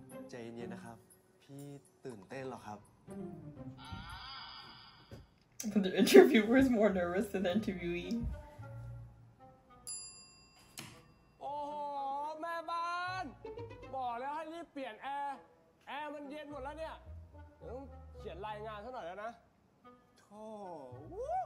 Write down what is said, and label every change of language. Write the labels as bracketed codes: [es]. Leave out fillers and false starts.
[th] ใจเย็นๆนะครับพี่ตื่นเต้นหรอครับ [en] The interviewer is more nervous than the interviewee. [th] Oh, แม่บ้านบอกแล้วให้รีบเปลี่ยนแอร์แอร์มันเย็นหมดแล้วเนี่ยต้องเขียนรายงานซะหน่อยแล้วนะโถวู